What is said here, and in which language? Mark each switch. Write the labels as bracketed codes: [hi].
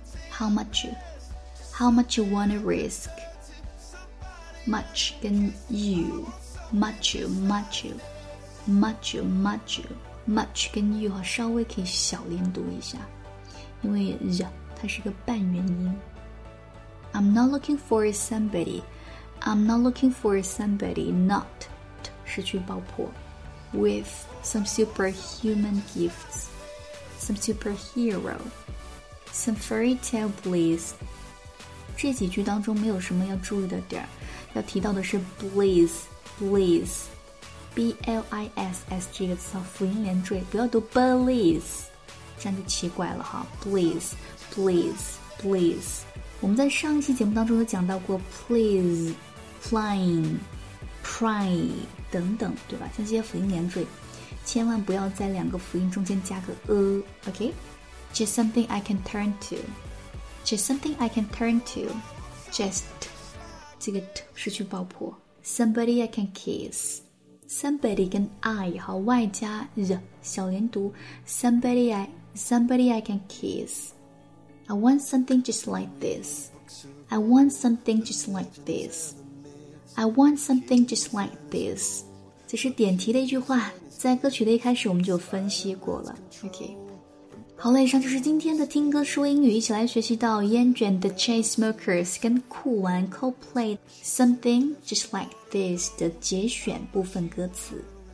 [en] How much you? How much you wanna risk? Much 跟 you? Much you? Much you? Much you? Much you? [zh] Much 跟 you 哈，稍微可以小连读一下，因为它是个半元音。 [en] I'm not looking for somebody. I'm not looking for somebody. [zh] Not 失去爆破。 [en] With some superhuman gifts, some superhero, some fairy tale bliss. [zh] 这几句当中没有什么要注意的点，要提到的是 bliss, bliss, b l i s s 这个词，辅音连缀，不要读 bliss。这样就奇怪了哈 please please please 我们在上一期节目当中有讲到过 please flying pry 等等，对吧？像这些辅音连缀千万不要在两个辅音中间加个 [en] OK just something I can turn to just something I can turn to just [zh] 这个 t 失去爆破 [en] somebody I can kissSomebody 跟 I 好外加 the 小连读 Somebody I can kiss I want something just like this I want something just like this. I want something just like this. [zh] 这是点题的一句话，在歌曲的一开始我们就分析过了。 [en] OK。 [zh] 好了，以上就是今天的听歌说英语，一起来学习到烟卷 The Chain Smokers 跟酷玩 Coldplay Something Just Like This 的节选部分歌词。